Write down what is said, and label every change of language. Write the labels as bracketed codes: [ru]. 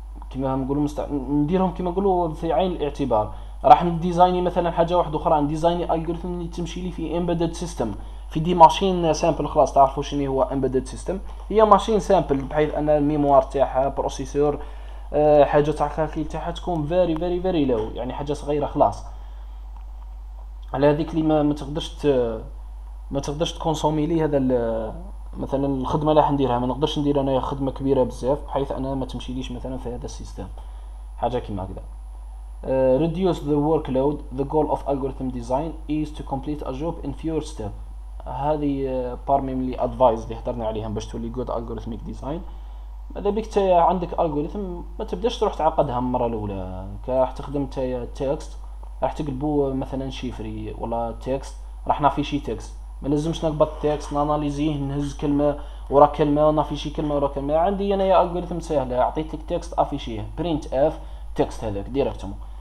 [ar] كيما نقولوا نديرهم كيما نقولوا في عين الاعتبار، راح نديزايني مثلا حاجه واحده اخرى نديزايني الالغوريثم اللي تمشي لي في امبيدد سيستم في دي ماشين سامبل خلاص تعرفوا شنو هو امبيدد سيستم، هي ماشين سامبل بحيث ان الميموار تاعها بروسيسور حاجه تاع الكالكيل تاعها تكون فيري فيري فيري لو، يعني حاجه صغيره خلاص على هذيك اللي ما تقدرش تكونسومي لي هذا مثلا الخدمه اللي راح نديرها، ما نقدرش ندير انا خدمه كبيره بزاف بحيث انا ما تمشيليش مثلا في هذا السيستم حاجه كيما هكذا. [en] Reduce the workload the goal of algorithm design is to complete a job in fewer steps. [ar] هذه بارمي من لي ادفايز اللي هضرنا عليهم باش تولي جود الجوريثميك ديزاين. ماذا بك تايا عندك الجوريثم ما تبداش تروح تعقدها من المره الاولى، راح تخدم تايا تكست راح تقلبو مثلا شيفري ولا تكست راح نافي شي تكست، ما لازمش نقبض تكست ناناليزيه نهز كلمه ورا كلمه ونافي شي كلمه ورا كلمه، عندي انايا الجوريثم سهله عطيتك تكست افيشيه برينت اف التكست هذاك ديريكتومون.